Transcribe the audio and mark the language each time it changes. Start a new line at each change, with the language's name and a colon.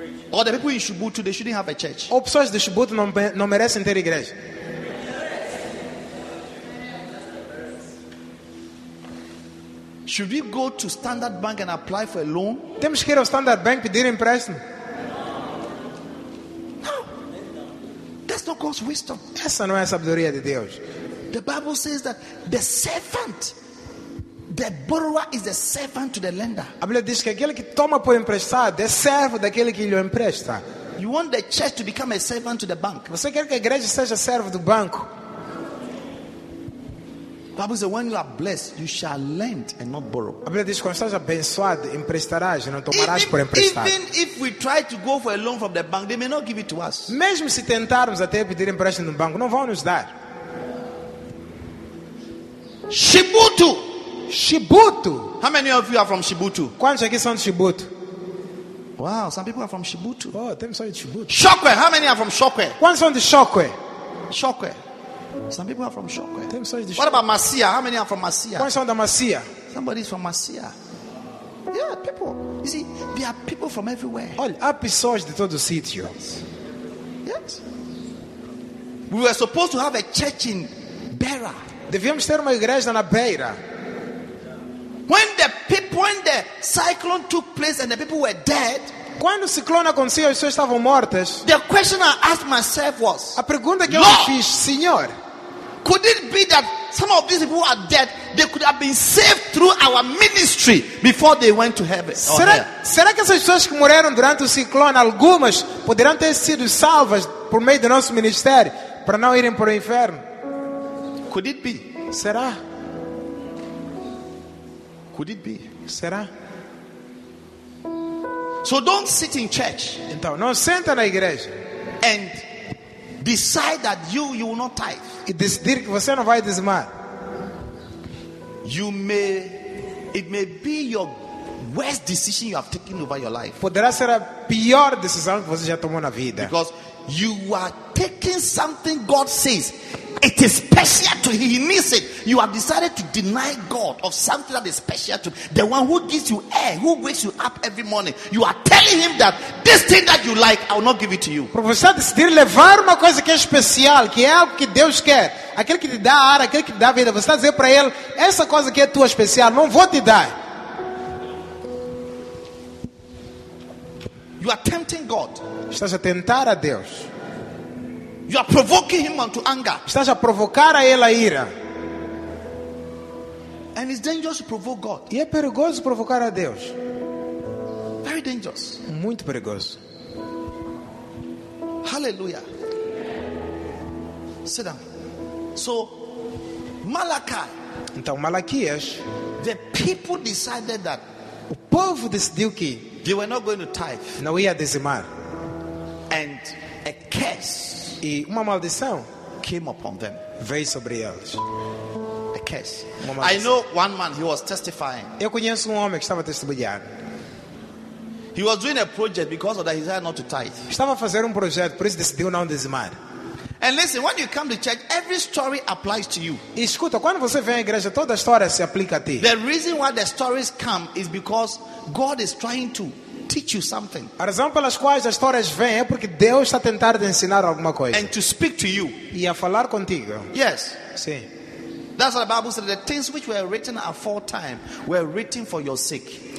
English: Or the people in Shibutu, they shouldn't have a church.
Portuguese: Ou pessoas de Shibutu não merecem ter igreja.
English: Should we go to Standard Bank and apply for a loan?
Portuguese: Temos que ir ao Standard Bank pedir empréstimo?
English: No. That's not God's wisdom.
Portuguese: Essa não é a sabedoria de Deus.
English: The Bible says that the servant, the borrower is the servant to the lender.
Portuguese: A Bíblia diz que aquele que toma por emprestado é servo daquele que lhe empresta.
English: You want the church to become a servant to the bank.
Portuguese: Você quer que a igreja seja servo do banco?
English: Bible says, when you are blessed, you shall lend and not borrow.
Portuguese: A Bíblia diz que quando estás abençoado, emprestarás e não tomarás por emprestado.
English: Even if we try to go for a loan from the bank, they may not give it to us.
Portuguese: Mesmo se tentarmos até pedir empréstimo no banco, não vão nos dar.
English: Shibutu.
Portuguese: Shibutu.
English: How many of you are from Shibutu?
Portuguese: Quantos aqui são de Shibutu?
English: Wow, some people are from Shibutu.
Portuguese: Oh, tem só de Shibutu.
English: Shokwe. How many are from Shokwe?
Portuguese: Quantos são de Shokwe?
English: Shokwe. Some people are from Shokwe.
Portuguese: Tem só de Shokwe.
English: What about Masia? How many are from Masia?
Portuguese: Quantos são da Masia?
English: Somebody is from Masia. Yeah, people. You see, there are people from everywhere.
Portuguese: Olha, há pessoas de todo o sítio.
English: Yes. We were supposed to have a church in Beira.
Portuguese: Devíamos ter uma igreja na Beira.
English: When the cyclone took place and the people were dead.
Portuguese: Quando o ciclone aconteceu, as pessoas estavam mortas.
English: The question I asked myself was,
Portuguese: a pergunta que eu me fiz, Senhor,
English: Could it be that some of these people who are dead, they could have been saved through our ministry before they went to heaven?
Portuguese: Será que essas pessoas que morreram durante o ciclone, algumas poderão ter sido salvas por meio do nosso ministério para não irem para o inferno?
English: Could it be?
Portuguese: Será?
English: Could it be?
Portuguese: Será?
English: So don't sit in church.
Portuguese: Então, não senta na igreja.
English: And decide that you will not tithe.
Portuguese: E decidir que você não vai dizimar.
English: It may be your worst decision you have taken over your life.
Portuguese: Poderá ser a pior decisão que você já tomou na vida.
English: Because you are taking something God says. It is special to him. He needs it. You have decided to deny God of something that is special to him. The one who gives you air, who wakes you up every morning. You are telling him that this thing that you like, I will not give it to you.
Portuguese: Para você decidir levar uma coisa que é especial, que é algo que Deus quer. Aquele que te dá ar, aquele que te dá vida. Você está dizendo para ele, essa coisa que é tua especial, não vou te dar.
English: You are tempting God.
Portuguese: Estás a tentar a Deus.
English: You are provoking him unto anger.
Portuguese: Estás a provocar a ele a ira.
English: And it's dangerous to provoke God.
Portuguese: E é perigoso provocar a Deus.
English: Very dangerous.
Portuguese: Muito perigoso.
English: Hallelujah. Sit down. So, Malachi.
Portuguese: Então, Malaquias.
English: The people decided that.
Portuguese: O povo decidiu que.
English: They were not going to tithe.
Portuguese: Não ia dizimar.
English: And a curse.
Portuguese: E uma maldição
English: came upon them.
Portuguese: Veio sobre eles.
English: A curse. I know one man, he was testifying.
Portuguese: Eu conheço homem que estava testemunhando.
English: He was doing a project because of that he decided not to tithe.
Portuguese: Estava a fazer projeto, por isso decidiu não dizimar.
English: And listen, when you come to church, every story applies to you.
Portuguese: E escuta, quando você vem à igreja, toda história se aplica a ti.
English: The reason why the stories come is because God is trying to teach you something.
Portuguese: A razão pelas quais as histórias vêm é porque Deus está tentando te ensinar alguma coisa.
English: And to speak to you.
Portuguese: E a falar contigo.
English: Yes.
Portuguese: Sim.
English: That's what the Bible said. The things which were written aforetime were written for your sake.